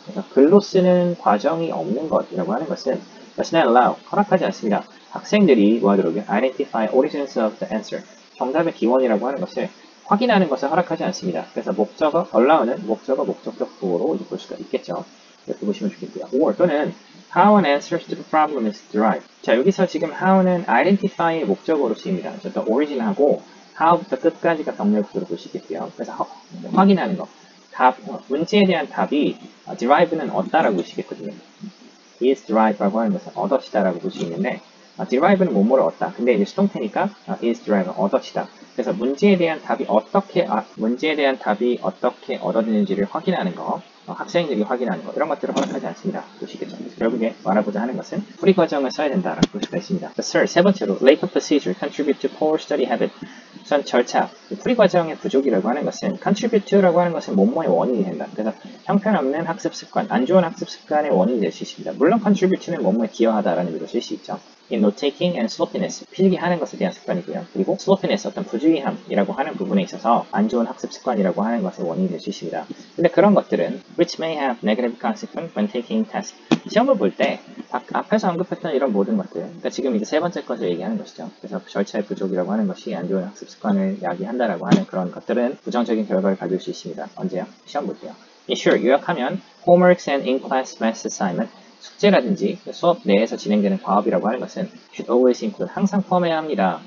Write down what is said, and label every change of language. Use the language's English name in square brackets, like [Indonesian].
[Korean] 그래서 글로 쓰는 과정이 없는 것이라고 하는 것은 [English] does not allow, [Korean] 허락하지 않습니다. 학생들이 뭐하도록 [English] identify origins of the answer, [Korean] 정답의 기원이라고 하는 것을 확인하는 것을 허락하지 않습니다. 그래서 목적어 allow는 목적어 목적격 부호로 볼 수가 있겠죠. 이렇게 보시면 좋겠고요. [English] or [Korean] 또는 [English] how an answer to the problem is derived. [Korean] 자, 여기서 지금 how는 identify의 목적어로 쓰입니다. 그래서 origin하고 how부터 끝까지가 병렬구조로 볼 수 있겠고요. 그래서 확인하는 것. 답, 문제에 대한 답이 derive는 얻다라고 보시겠거든요. is derived라고 하는 것은 얻었다라고 볼 수 있는데 derive는 뭐뭐를 얻다. 근데 이제 수동태니까 is derived는 얻었다. 그래서 문제에 대한 답이 어떻게 문제에 대한 답이 어떻게 얻어지는지를 확인하는 거, 학생들이 확인하는 거 이런 것들을 허락하지 않습니다. 보시겠죠. 결국에 말하고자 하는 것은 풀이 과정을 써야 된다라고 볼 수가 있습니다. Sir, 세 번째로 [English] lack of procedure contribute to poor study habit. [Korean] 우선 절차, 풀이 과정의 부족이라고 하는 것은 contribute라고 하는 것은 뭐뭐의 원인이 된다. 그래서 형편없는 학습 습관, 안 좋은 학습 습관의 원인이 될 수 있습니다. 물론 contribute는 뭐뭐에 기여하다라는 의미로 쓸 수 있죠. [English] In note-taking and sloppiness, [Korean] 필기하는 것에 대한 습관이고요. 그리고 sloppiness, 어떤 부주의함이라고 하는 부분에 있어서 안 좋은 학습 습관이라고 하는 것의 원인이 될 수 있습니다. 근데 그런 것들은 [English] which may have negative consequence when taking tests. [Korean] 시험을 볼 때 앞에서 언급했던 이런 모든 것들, 그러니까 지금 이제 세 번째 것을 얘기하는 것이죠. 그래서 절차의 부족이라고 하는 것이 안 좋은 학습 습관을 야기한다라고 하는 그런 것들은 부정적인 결과를 가질 수 있습니다. 언제요? 시험 볼 때요. [English] In short, [Korean] 요약하면 [English] homeworks and in-class math assignment, [Korean] 숙제라든지 수업 내에서 진행되는 과업이라고 하는 것은 [English] should always include, [Korean] 항상 포함해야 합니다.